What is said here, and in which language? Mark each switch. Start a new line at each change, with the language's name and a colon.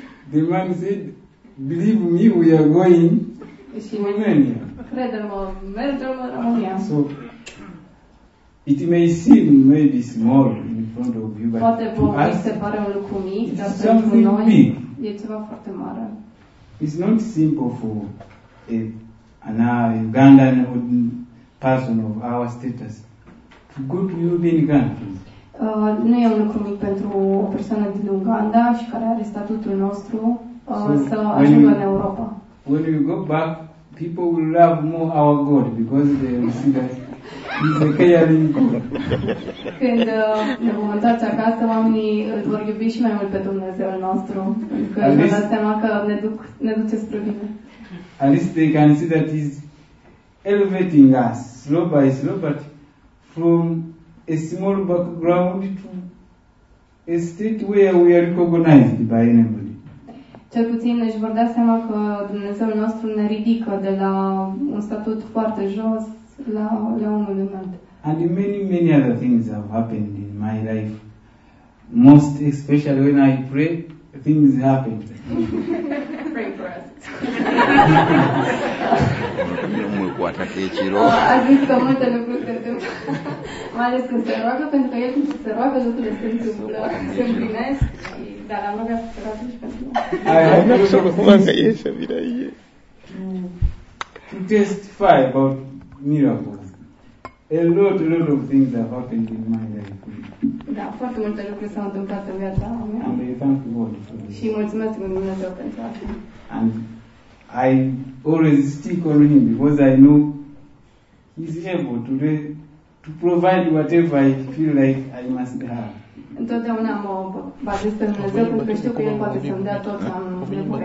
English: The man said, believe me, we are going to Romania.
Romanian: Crede-mă, mergem în România.
English: So, it may seem maybe small in front of you, but
Romanian: poate vă mi se pare un lucru mic, dar pentru noi
English: big.
Romanian: E ceva foarte mare.
English: It's not simple for an Ugandan person of our status to go to European countries.
Romanian: Nu e un lucru mic pentru o persoană din Uganda și care are statutul nostru să ajungă în Europa.
English: When you go back, people will love more our God because they will see that He's a caring God.
Romanian: Când ne vom întoarce acasă, oamenii îl vor iubi și mai mult pe Dumnezeul nostru, pentru că își dau seama că ne duce spre bine.
English: At least they can see that he's elevating us slow by slow, but from a small background to a state where we are recognized by anybody.
Romanian: Cel puțin își vor da seama că Dumnezeul nostru ne ridică de la un statut foarte jos la unul înalt.
English: And many other things have happened in my life. Most especially when I pray, things happen. Pray for us.
Romanian: A zis că multe lucruri se întâmplă, mai ales când se roagă, pentru că el când se roagă, lucrurile se întâmplă, se împlinesc, dar am rugat să se roagă și pentru noi. Aia, nu știu cum am găie să vină aie.
English: To testify about miracles. A lot of things have happened in my life.
Romanian: Da, foarte multe lucruri s-au întâmplat în viața mea.
English: And I thank God for this.
Romanian: Și mulțumesc lui Dumnezeu pentru asta.
English: And I always stick on him because I know he's able to provide whatever I feel like I must have.
Romanian: Întotdeauna mă bazez pe Dumnezeu pentru că știu că El poate să-mi dea tot ce am nevoie.